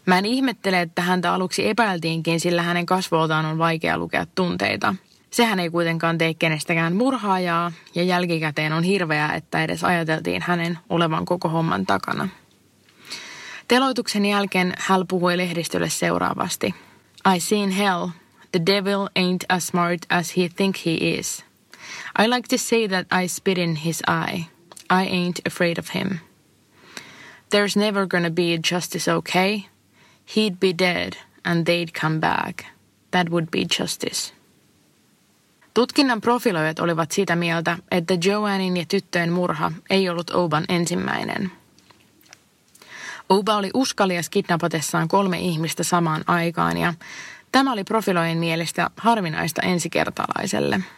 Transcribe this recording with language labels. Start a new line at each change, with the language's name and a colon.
Finnish: Mä en ihmettele, että häntä aluksi epäiltiinkin, sillä hänen kasvoltaan on vaikea lukea tunteita. Sehän ei kuitenkaan tee kenestäkään murhaajaa ja jälkikäteen on hirveää, että edes ajateltiin hänen olevan koko homman takana. Teloituksen jälkeen Hal puhui lehdistölle seuraavasti.
English: "I seen hell. The devil ain't as smart as he think he is. I like to say that I spit in his eye. I ain't afraid of him. There's never gonna be justice, okay? He'd be dead and they'd come back. That would be justice."
Finnish: Tutkinnan profiloijat olivat sitä mieltä, että Joannin ja tyttöjen murha ei ollut Oban ensimmäinen. Oba oli uskalias kidnapatessaan 3 ihmistä samaan aikaan ja tämä oli profiloijien mielestä harvinaista ensikertalaiselle.